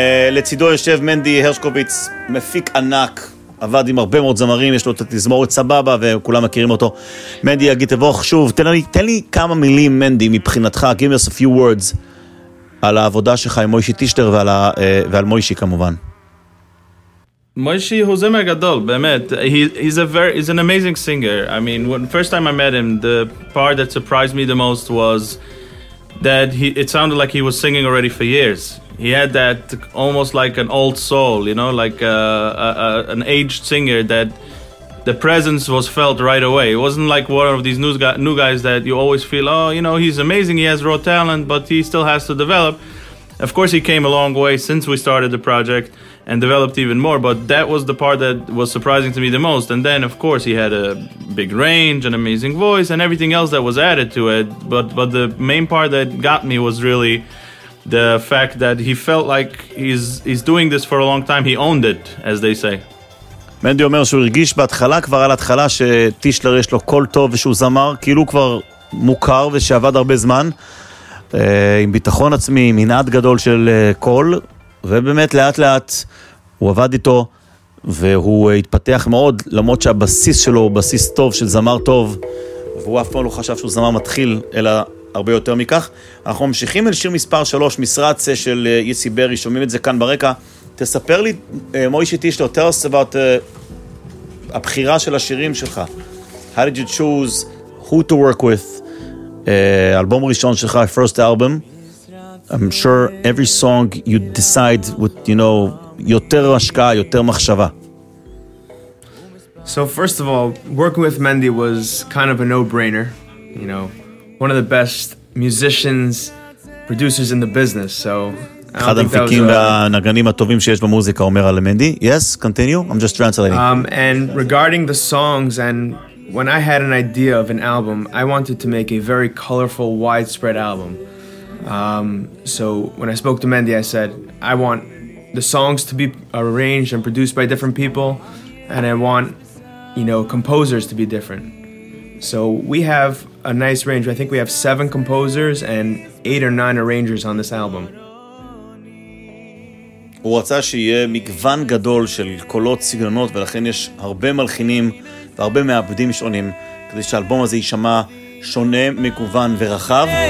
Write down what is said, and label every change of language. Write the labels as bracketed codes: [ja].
[he] לצידו יושב מנדי הרשקוביץ, מפיק ענק, עבד עם הרבה מאוד זמרים, יש לו את התזמורת סבבה וכולם מכירים אותו. מנדי יגיד תבוך שוב, תן לי כמה מילים מנדי מבחינתך, [en] give us a few words [he] על העבודה שלך עם מוישי טישלר ועל מוישי כמובן. [en] Moishi is a megadol, [he] באמת. [en] He's an amazing singer. I mean, when first time I met him, the part that surprised me the most was that it sounded like he was singing already for years. He had that almost like an old soul, you know, like an aged singer that the presence was felt right away. It wasn't like one of these new guys that you always feel, oh, you know, he's amazing, he has raw talent, but he still has to develop. Of course, he came a long way since we started the project and developed even more, but that was the part that was surprising to me the most. And then, of course, he had a big range, an amazing voice, and everything else that was added to it. But the main part that got me was really the fact that he felt like he's doing this for a long time. He owned it, as they say. [he] מנדי אומר שהוא הרגיש בהתחלה, כבר על התחלה, שטישלר יש לו קול טוב ושהוא זמר, כאילו כבר מוכר ושעבד הרבה זמן, עם ביטחון עצמי, עם מנעד גדול של קול, ובאמת לאט לאט הוא עבד איתו והוא התפתח מאוד, למרות שהבסיס שלו הוא בסיס טוב של זמר טוב, והוא אף פעם לא חשב שהוא זמר מתחיל אלא הרבה יותר מכך. אנחנו ממשיכים אל שיר מספר 3, משרץ של יסי ברי, שומעים את זה כאן ברקע. תספר לי מוישי טישלר, [en] tell us about [he] הבחירה של השירים שלך. [en] How did you choose who to work with? [he] אלבום ראשון שלך, [en] first album. I'm sure every song you decide with, you know, [he] יותר השקעה, יותר מחשבה. [en] So first of all, working with Mendy was kind of a no-brainer, you know, one of the best musicians, producers in the business. So [he] אחד המפיקים והנגנים הטובים שיש במוזיקה, אומר על מנדי. [en] Yes, continue. I'm just translating. And regarding the songs, and when I had an idea of an album, I wanted to make a very colorful, widespread album. So when I spoke to Mendy, I said, I want the songs to be arranged and produced by different people, and I want, you know, composers to be different. So we have a nice range. I think we have 7 composers and 8 or 9 arrangers on this album. [he] הוא רצה שיהיה מגוון גדול של קולות, סגנונות, ולכן יש הרבה מלחינים והרבה מעבדים שונים, כדי שהאלבום הזה יישמע שונה, מגוון ורחב.